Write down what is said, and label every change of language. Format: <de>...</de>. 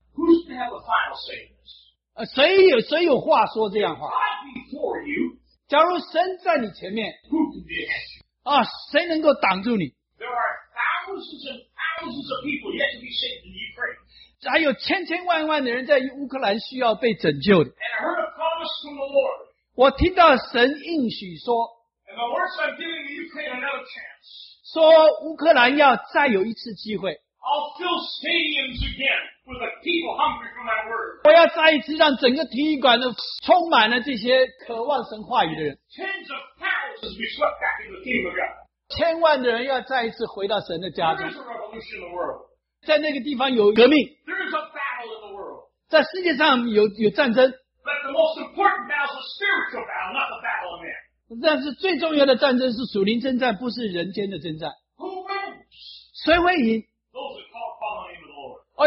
<en>Who's going to have a final say in this?</en> <zh>谁有话说这样话</zh> <en>If God before you,</en> <zh>假如神在你前面</zh> <en>Who can be against you?</en> <zh>啊，谁能够挡住你</zh> <en>There are thousands and thousands of people yet to be saved in Ukraine.</en> <zh>还有千千万万的人在乌克兰需要被拯救的</zh> <en>And I heard a promise from the Lord.</en> <zh>我听到神应许说</zh> <en>And the Lord said, I'm giving the Ukraine another chance.</en> <zh>说乌克兰要再有一次机会</zh> <en>I'll fill stadiums again for the people hungry for my word.</en> <zh>我要再一次让整个体育馆都充满了这些渴望神话语的人</zh> <en>Tens of thousands. To be swept back into the kingdom of God.</en> <zh>千万的人要再一次回到神的家中。</zh> <en>There is a revolution in the world.</en> <zh>在那个地方有革命。</zh> <en>There is a battle in the world.</en> <zh>在世界上有战争。</zh> <en>But the most important battle is a spiritual battle, not the battle of man.</en> <zh>但是最重要的战争是属灵征战，不是人间的征战。</zh> <en>Who wins?</en> <zh>谁会赢？</zh> <en>Those who call upon the name of the Lord.</en>